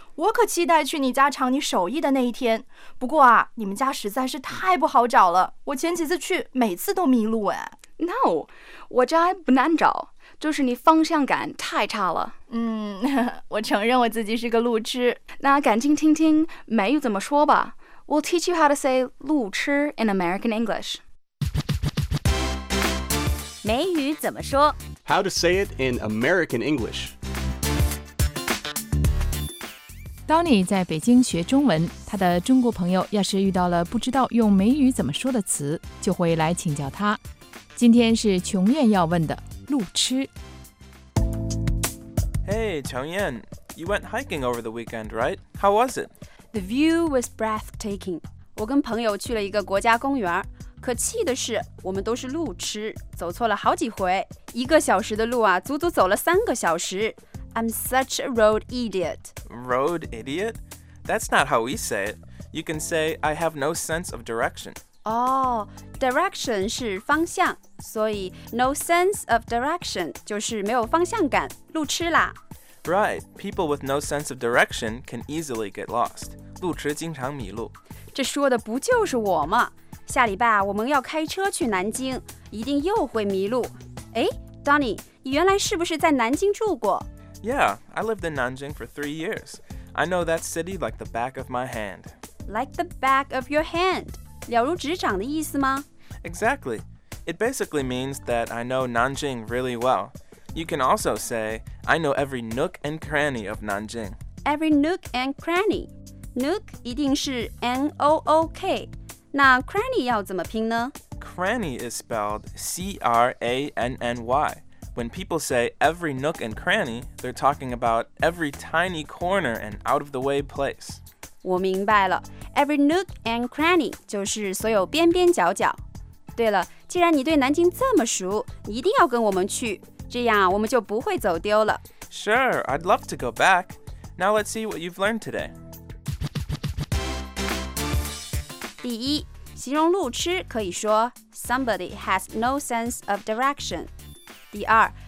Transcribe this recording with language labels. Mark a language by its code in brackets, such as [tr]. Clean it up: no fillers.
[zh] 我可期待去你家尝你手艺的那一天。不过啊，你们家实在是太不好找了。我前几次去，每次都迷路哎。 No, 我家不难找，就是你方向感太差了。我承认我自己是个路痴。那赶紧听听美语怎么说吧。 [en] We'll teach you how to say 路痴 in American English. [zh] 美语怎么说 [en] How to say it in American English. [zh] 当你在北京学中文，他的中国朋友要是遇到了不知道用美语怎么说的词，就会来请教他。今天是琼艳要问的路痴。 [en] Hey, 琼艳 you went hiking over the weekend, right? How was it? The view was breathtaking. [zh] 我跟朋友去了一个国家公园，可气的是，我们都是路痴，走错了好几回。一个小时的路啊，足足走了三个小时。 [en] I'm such a road idiot. Road idiot? That's not how we say it. You can say, I have no sense of direction. [zh] Direction 是方向，所以 [en] no sense of direction [zh] 就是没有方向感，路痴啦。 [en] Right, people with no sense of direction can easily get lost. [zh] 路痴经常迷路。这说的不就是我吗？下礼拜啊，我们要开车去南京，一定又会迷路。哎 ，Donny， 你原来是不是在南京住过 [en] ？Yeah, I lived in Nanjing for 3 years. I know that city like the back of my hand. Like the back of your hand， [zh] 了如指掌的意思吗 [en] ？Exactly. It basically means that I know Nanjing really well. You can also say, I know every nook and cranny of Nanjing. Every nook and cranny. Nook [zh] 一定是 [en] N-O-O-K. [zh] 那 cranny 要怎么拼呢 [en] Cranny is spelled C-R-A-N-N-Y. When people say every nook and cranny, they're talking about every tiny corner and out-of-the-way place. [zh] 我明白了。 [en] Every nook and cranny [zh] 就是所有边边角角。对了，既然你对南京这么熟，你一定要跟我们去。这样我们就不会走丢了。 [en] Sure, I'd love to go back. Now let's see what you've learned today. [zh] 第一，形容路痴可以说 [en] somebody has no sense of direction. [zh] 第二，